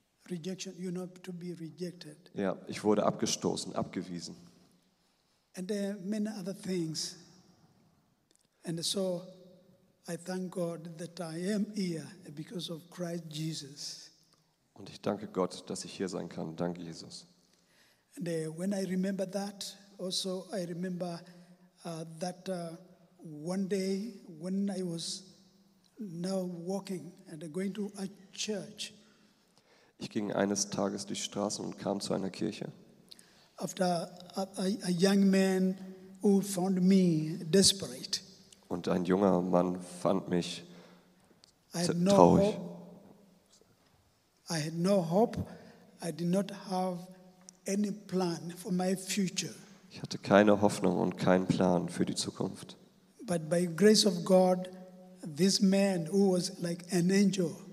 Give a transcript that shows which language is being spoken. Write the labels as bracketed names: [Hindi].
[English] Rejection, you know, to be rejected. [German] Ja, ich wurde abgestoßen, abgewiesen. [English] And there are many other things. And so I thank God that I am here because of Christ Jesus. [German] Und ich danke Gott, dass ich hier sein kann. Danke, Jesus. [English] And when I remember that, also I remember that one day when I was now walking and going to a church. [German] Ich ging eines Tages durch Straßen und kam zu einer Kirche. [English] After a young man who found me desperate. [German] Und ein junger Mann fand mich traurig. [English] I had no hope. I did not have any plan for my future. [German] Ich hatte keine Hoffnung und keinen Plan für die Zukunft. [English] But by grace of God, this man who was like an angel.